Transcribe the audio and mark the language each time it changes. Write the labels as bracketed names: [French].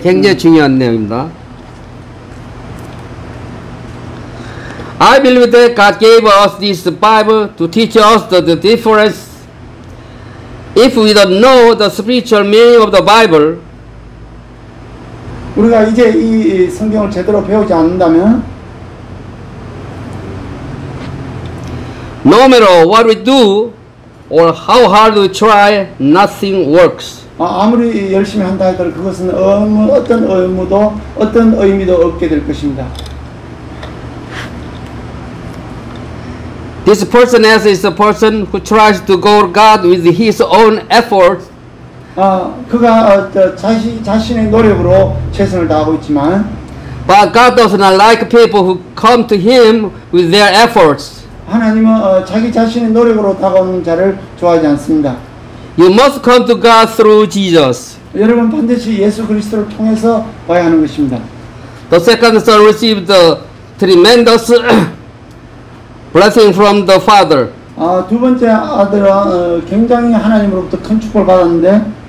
[Korean] 굉장히 중요한 내용입니다. [English] I believe that God gave us this Bible to teach us the difference. If we don't know the spiritual meaning of the Bible, [Korean] 우리가 이제 이 성경을 제대로 배우지 않는다면, [English] no matter what we do or how hard we try, nothing works. [Korean] 아무리 열심히 한다 해도 그것은 어떤 의무도 어떤 의미도 없게 될 것입니다. [English] This person as is a person who tries to go to God with his own effort. [Korean] 그가 자신의 노력으로 최선을 다하고 있지만, [English] but God does not like people who come to him with their efforts. [Korean] 하나님은 자기 자신의 노력으로 다가오는 자를 좋아하지 않습니다. [English] You must come to God through Jesus. [Korean] 여러분 반드시 예수 그리스도를 통해서 와야 하는 것입니다. [English] The second son received the tremendous blessing from the Father. [Korean] 두 번째 아들은 굉장히 하나님으로부터 큰 축복을 받았는데,